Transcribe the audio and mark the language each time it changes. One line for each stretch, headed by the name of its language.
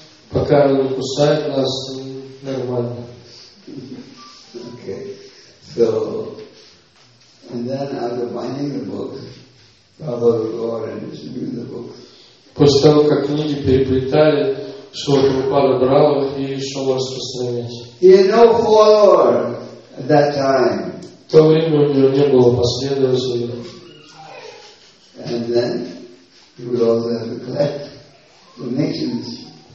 Russian: Пока она не кусает нас, нормально.
English: Okay. So and then after binding the books, Prabhupada would go out and distribute the books.
Russian: После того, как книги переплетали, Шрила Прабхупада брал их и шел распространять.
English: He had no follower at that time.
Russian: В то время у него не было последователей.
English: And then he would also have to collect donations.